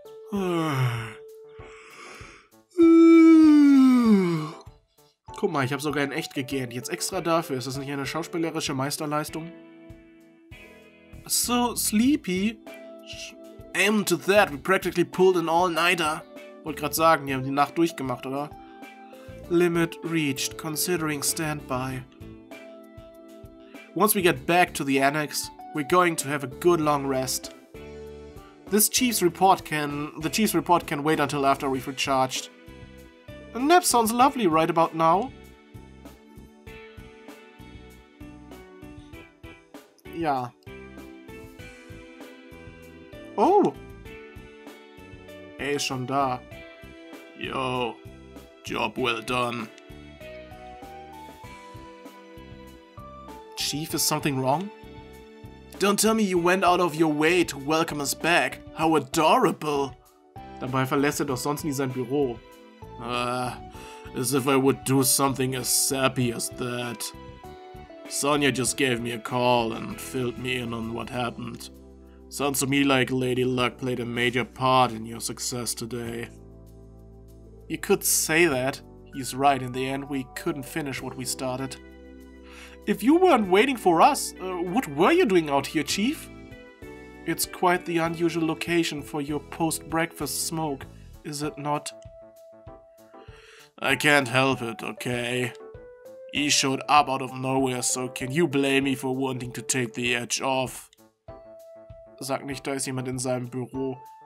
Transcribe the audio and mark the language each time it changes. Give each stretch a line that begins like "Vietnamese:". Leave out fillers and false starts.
German: Guck mal, ich habe sogar in echt gegähnt. Jetzt extra dafür. Ist das nicht eine schauspielerische Meisterleistung?
English: So sleepy. Aim to that. We practically pulled an all-nighter.
German: Wollte gerade sagen, die haben die Nacht durchgemacht, oder?
English: Limit reached. Considering standby. Once we get back to the annex, we're going to have a good long rest. The chief's report can wait until after we've recharged. A nap sounds lovely right about now.
German: Ja. Oh! Er ist schon da.
English: Yo, job well done. Chief, is something wrong? Don't tell me you went out of your way to welcome us back. How adorable!
German: Dabei verlässt er doch sonst nie sein Büro.
English: As if I would do something as sappy as that. Sonya just gave me a call and filled me in on what happened. Sounds to me like Lady Luck played a major part in your success today. You could say that. He's right, in the end we couldn't finish what we started. If you weren't waiting for us, what were you doing out here, Chief? It's quite the unusual location for your post-breakfast smoke, is it not? I can't help it, okay? He showed up out of nowhere, so can you blame me for wanting to take the edge off?
German: Sag nicht, da ist jemand in seinem Büro.